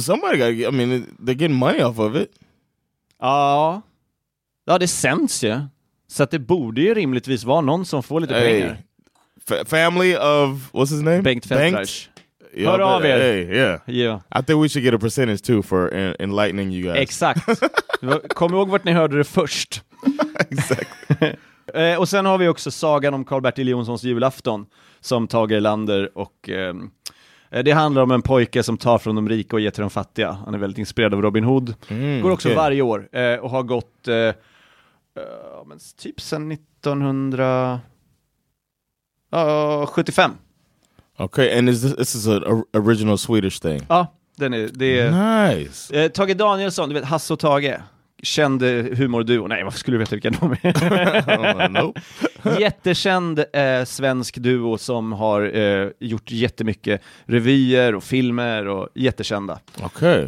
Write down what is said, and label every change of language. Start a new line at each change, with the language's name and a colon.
English: Somebody got, I mean, they're getting money off of it.
Swedish: Ja, det sänds ju. Så att det borde ju rimligtvis vara någon som får lite pengar.
English: Family of, what's his name?
Swedish: Bengt Feldreich. Hör av er.
English: I think we should get a percentage too for enlightening you guys.
Swedish: Exakt. Kom ihåg vart ni hörde det först. Exakt. Och sen har vi också sagan om Carl Bertil Jonssons julafton som Tage Erlander, och det handlar om en pojke som tar från de rika och ger till de fattiga. Han är väldigt inspirerad av Robin Hood. Går också varje år och har gått men typ sedan 1975.
English: Okay, and is this an original Swedish thing?
Swedish: Ja, det är
English: nice.
Swedish: Tage Danielsson, du vet, Hasse och Tage, känd humorduo. Nej, varför skulle du veta vilka de är?
English: Nope.
Swedish: Jättekänd svensk duo som har gjort jättemycket revyer och filmer, och jättekända.
English: Okay.